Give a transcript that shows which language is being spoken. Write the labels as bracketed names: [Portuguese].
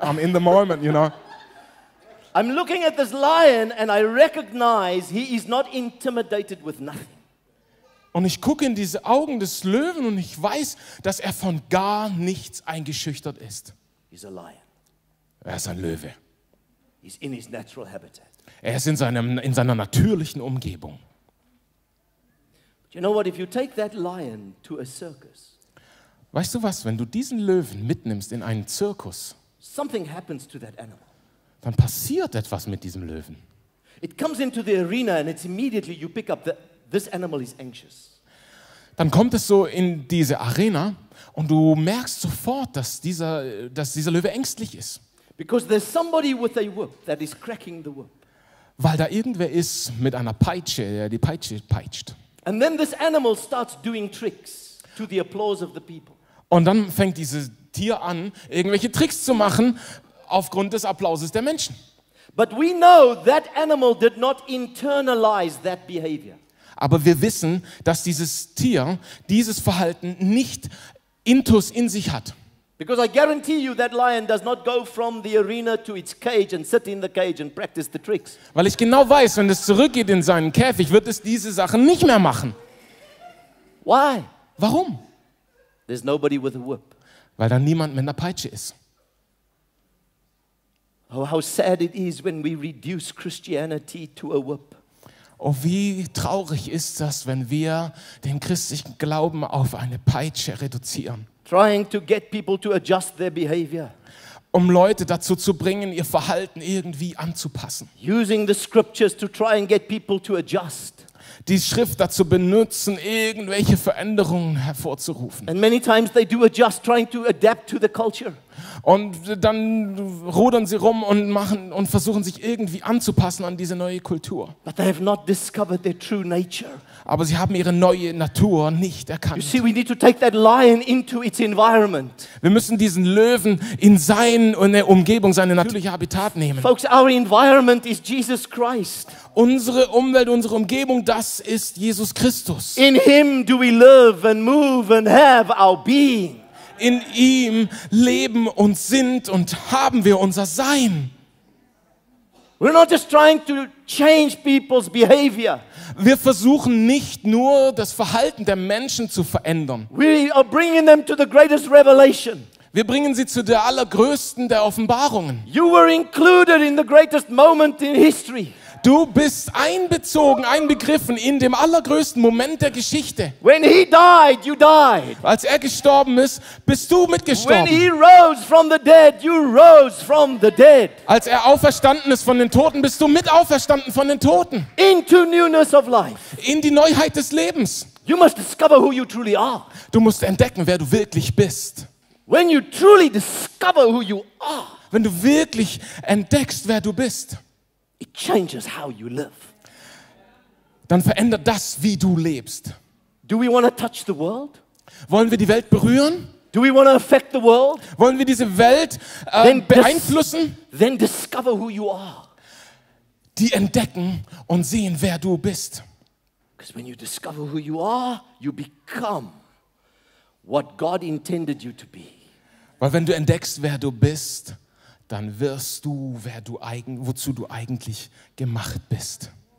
[English] I'm in the moment, you know. I'm looking at this lion and I recognize he is not intimidated with nothing. [German] Und ich gucke in diese Augen des Löwen und ich weiß, dass er von gar nichts eingeschüchtert ist. [English] He's a lion. [German] Er ist ein Löwe. [English] He's in his natural habitat. [German] Er ist in seiner natürlichen Umgebung. [English] You know what, if you take that lion to a circus, [German] weißt du was, wenn du diesen Löwen mitnimmst in einen Zirkus, [English] something happens to that animal. [German] Dann passiert etwas mit diesem Löwen. [English] It comes into the arena and it's immediately you pick up that this animal is anxious. [German] Dann kommt es so in diese Arena und du merkst sofort, dass dieser Löwe ängstlich ist. [English] Because there's somebody with a whip that is cracking the whip. [German] Weil da irgendwer ist mit einer Peitsche, der die Peitsche peitscht. [English] And then this animal starts doing tricks to the applause of the people. [German] Und dann fängt dieses Tier an, irgendwelche Tricks zu machen aufgrund des Applauses der Menschen. [English] But we know that animal did not internalize that behavior. [German] Aber wir wissen, dass dieses Tier dieses Verhalten nicht intus in sich hat. [English] Because I guarantee you that lion does not go from the arena to its cage and sit in the cage and practice the tricks. [German] Weil ich genau weiß, wenn es zurückgeht in seinen Käfig, wird es diese Sachen nicht mehr machen. [English] Why? [German] Warum? [English] There's nobody with a whip. [German] Weil da niemand mit einer Peitsche ist. [English] Oh, how sad it is when we reduce Christianity to a whip. [German] Oh, wie traurig ist das, wenn wir den christlichen Glauben auf eine Peitsche reduzieren. [English] Trying to get people to adjust their behavior. [German] Um Leute dazu zu bringen, ihr Verhalten irgendwie anzupassen. [English] Using the scriptures to try and get people to adjust. [German] Die Schrift dazu benutzen, irgendwelche Veränderungen hervorzurufen. [English] And many times they do adjust, trying to adapt to the culture. [German] Und dann rudern sie rum und machen und versuchen sich irgendwie anzupassen an diese neue Kultur. [English] But they have not discovered their true nature. [German] Aber sie haben ihre neue Natur nicht erkannt. [English] You see, we need to take that lion into its environment. [German] Wir müssen diesen Löwen in seine Umgebung, seine natürliche Habitat nehmen. [English] Folks, our environment is Jesus Christ. [German] Unsere Umwelt, unsere Umgebung, das ist Jesus Christus. [English] In him do we live and move and have our being. [German] In ihm leben und sind und haben wir unser Sein. [English] We're not just trying to change people's behavior. [German] Wir versuchen nicht nur das Verhalten der Menschen zu verändern. [English] We are bringing them to the greatest revelation. [German] Wir bringen sie zu der allergrößten der Offenbarungen. [English] You were included in the greatest moment in history. [German] Du bist einbezogen, einbegriffen in dem allergrößten Moment der Geschichte. [English] When he died, you died. [German] Als er gestorben ist, bist du mitgestorben. [English] When he rose from the dead, you rose from the dead. [German] Als er auferstanden ist von den Toten, bist du mit auferstanden von den Toten. [English] Into newness of life. [German] In die Neuheit des Lebens. [English] You must discover who you truly are. [German] Du musst entdecken, wer du wirklich bist. [English] When you truly discover who you are. [German] Wenn du wirklich entdeckst, wer du bist. [English] It changes how you live. [German] Dann verändert das, wie du lebst. [English] Do we want to touch the world? [German] Wollen wir die Welt berühren? [English] Do we want to affect the world? [German] Wollen wir diese Welt beeinflussen? [English] Then discover who you are. [German] Die entdecken und sehen, wer du bist. [English] Because when you discover who you are, you become what God intended you to be. [German] Weil wenn du entdeckst, wer du bist, dann wirst du, wozu du eigentlich gemacht bist.